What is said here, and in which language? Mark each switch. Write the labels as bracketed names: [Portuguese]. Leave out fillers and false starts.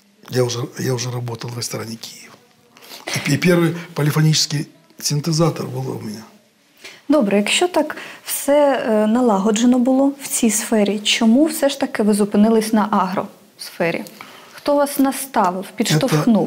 [Russian] Я уже работал в ресторане «Киев». И первый полифонический синтезатор был у меня. [Ukrainian] Добре, якщо так все налагоджено було в цій сфері, чому все ж таки ви зупинились на агросфері? [Russian] Кто вас наставил, подштовхнул?